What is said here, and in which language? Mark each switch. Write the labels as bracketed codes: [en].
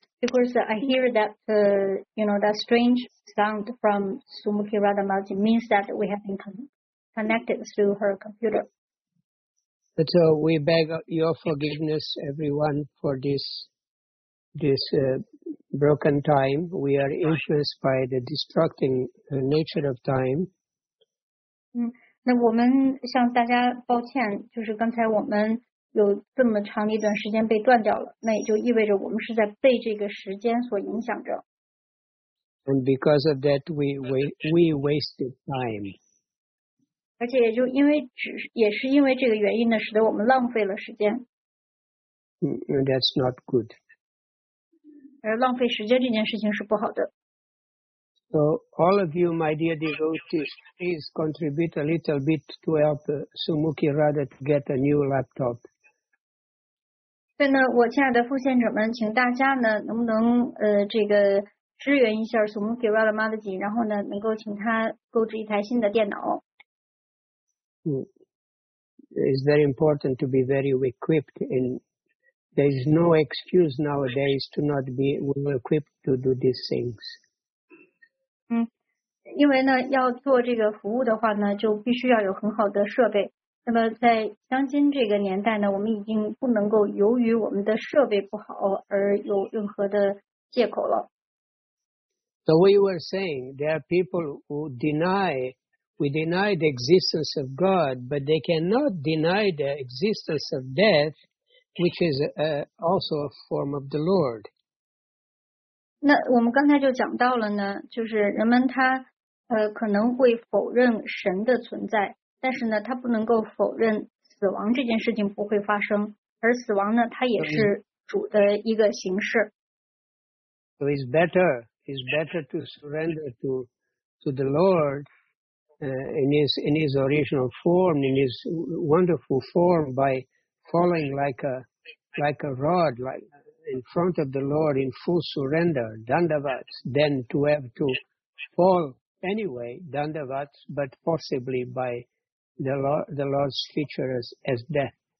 [en] Because I hear that, that strange sound from Sumukhi Radha Maharaj means that we have been connected through her computer. But we beg your forgiveness, everyone, for this broken time. We are influenced by the destructing nature of time. [zh] 那我们向大家抱歉，就是刚才我们有这么长的一段时间被断掉了，那也就意味着我们是在被这个时间所影响着。 [en] And because of that, we wasted time. [zh] 而且也就因为也是因为这个原因呢，使得我们浪费了时间。 [en] That's not good. [zh] 而浪费时间这件事情是不好的。 [en] So all of you, my dear devotees, please contribute a little bit to help Sumukhi Radha to get a new laptop. [zh] 所以呢，我亲爱的奉献者们，请大家呢，能不能这个支援一下 Sumukhi Radha Mataji， 然后呢，能够请他购置一台新的电脑。 [en] It's very important to be very equipped, and there is no excuse nowadays to not be well equipped to do these things. [zh] 因为呢，要做这个服务的话呢，就必须要有很好的设备。那么在当今这个年代呢，我们已经不能够由于我们的设备不好而有任何的借口了。 [en] So we were saying there are people who deny the existence of God, but they cannot deny the existence of death, which is also a form of the Lord. [zh] 那我们刚才就讲到了呢，就是人们他可能会否认神的存在，但是呢，他不能够否认死亡这件事情不会发生，而死亡呢，它也是主的一个形式。 [en] So it's better to surrender to to the Lord in his original form, in his wonderful form, by falling like a rod, like in front of the Lord in full surrender, dandavat, then to have to fall anyway, dandavat, but possibly by the Lord's feature as death.